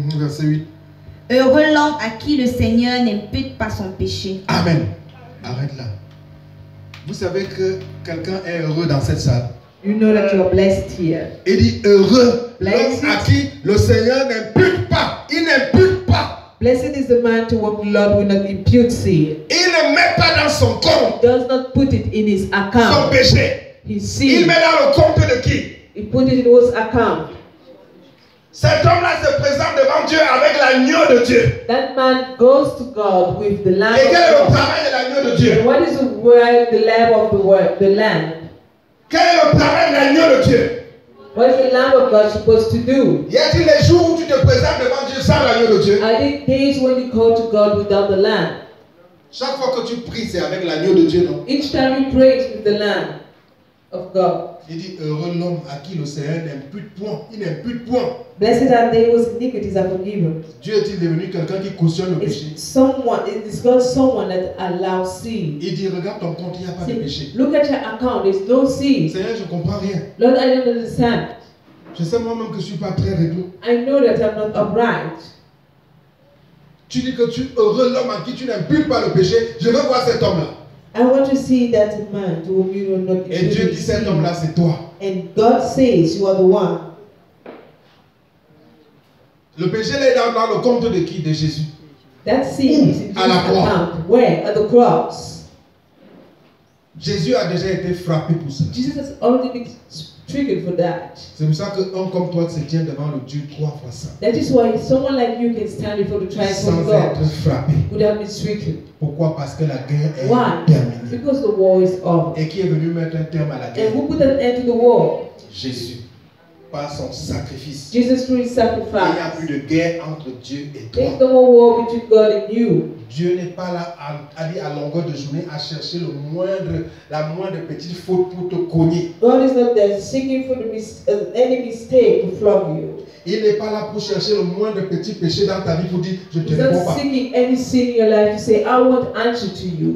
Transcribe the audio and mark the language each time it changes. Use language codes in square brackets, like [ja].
[fr] Verset 8. Heureux l'homme à qui le Seigneur n'impute pas son péché. Amen. Arrête là. Vous savez que quelqu'un est heureux dans cette salle. [en] You know that you are blessed here. [fr] Il dit heureux l'homme à qui le Seigneur n'impute pas. Il n'impute pas. [en] Blessed is the man to whom the Lord will not impute sin. [fr] Il ne met pas dans son compte. [en] He does not put it in his account. [fr] Son péché. Il met dans le compte de qui? [en] He put it in his account. [fr] Cet homme-là se présente devant Dieu avec l'agneau de Dieu. [en] That man goes to God with the lamb. [fr] Et quel est le travail de l'agneau de Dieu? [en] What is the work, the lamb of the word, the lamb? [fr] Quel est le travail de l'agneau de Dieu? [en] What is the lamb of God supposed to do? [fr] Y a-t-il des jours où tu te présentes devant Dieu sans l'agneau de Dieu? [en] Are there days when you go to God without the lamb? [fr] Chaque fois que tu pries, c'est avec l'agneau de Dieu, non? [en] Each time you pray, it's with the lamb. Of God. [fr] Il dit heureux l'homme à qui le Seigneur n'impute point. Il n'impute point. [en] Blessed are they whose iniquities are forgiven. [fr] Dieu est-il devenu quelqu'un qui cautionne le péché? [en] Someone that allows sin. [fr] Il dit regarde ton compte, il n'y a pas de péché. [en] Look at your account, there's no sin. [fr] Seigneur, je ne comprends rien. [en] Lord, I don't understand. [fr] Je sais moi-même que je ne suis pas très réglé. [en] I know that I'm not upright. [fr] Tu dis que tu es heureux l'homme à qui tu n'imputes pas le péché. Je veux voir cet homme-là. [en] I want to see that man to whom you will not. [fr] Et Dieu dit cet homme-là, c'est toi. [en] And God says you are the one. [fr] Le péché est dans le compte de qui? De Jésus. [en] That sin is [fr] à la croix. [en] Where? At the cross. [fr] Jésus a déjà été frappé pour ça. [en] Jesus has already been triggered for that. [fr] C'est pour ça que un comme toi se tient devant le Dieu trois fois saint. [en] That is why someone like you can stand before the triumphant God. [fr] Sans être frappé. [en] Without being stricken. [fr] Pourquoi? Parce que la guerre est terminée. [en] Because the war is over. [fr] Et qui est venu mettre un terme à la guerre? [en] And who put an end to the war? [fr] Jésus, par son sacrifice. [en] Jesus through his sacrifice. [fr] Il n'y a plus de guerre entre Dieu et toi. [en] There's no more war between God and you. [fr] Dieu n'est pas là à aller à longueur de journée à chercher le moindre, la moindre petite faute pour te cogner. [en] God is not there seeking for the any mistake to flog you. [fr] Il n'est pas là pour chercher le moindre petit péché dans ta vie pour dire je te réponds pas. [en] He's not seeking any sin in your life to say I won't answer to you.